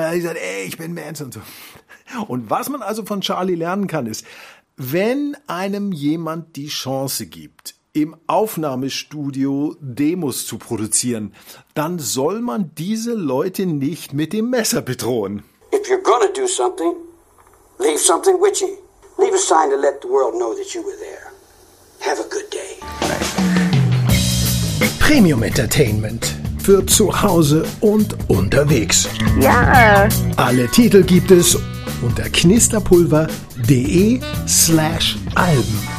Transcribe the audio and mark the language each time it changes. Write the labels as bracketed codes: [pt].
[de] Er sagt, ey, ich bin Manson und so. Und was man also von Charlie lernen kann, ist, wenn einem jemand die Chance gibt, im Aufnahmestudio Demos zu produzieren, dann soll man diese Leute nicht mit dem Messer bedrohen. [en] If you're gonna do something, leave something with you. Leave a sign to let the world know that you were there. Have a good day. Premium Entertainment. [de] Für zu Hause und unterwegs. Ja. Alle Titel gibt es unter knisterpulver.de/alben.